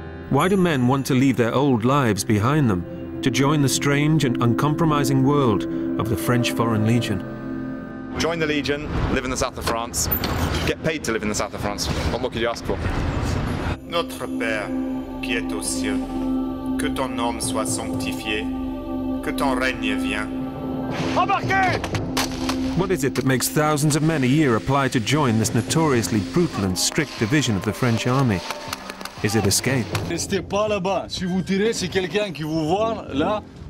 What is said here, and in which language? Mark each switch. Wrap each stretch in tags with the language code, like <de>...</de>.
<en>Why do men want to leave their old lives behind them to join the strange and uncompromising world of the French Foreign Legion? Join the Legion, live in the south of France, get paid to live in the south of France. What more could you ask for?</en> <fr>Notre Père, qui est aux cieux, que ton nom soit sanctifié, que ton règne vienne. Embarquez!</fr> <en>What is it that makes thousands of men a year apply to join this notoriously brutal and strict division of the French army? Is it escape?</en> <fr>Restez pas là-bas. Si vous tirez, c'est quelqu'un qui vous voit là.</fr>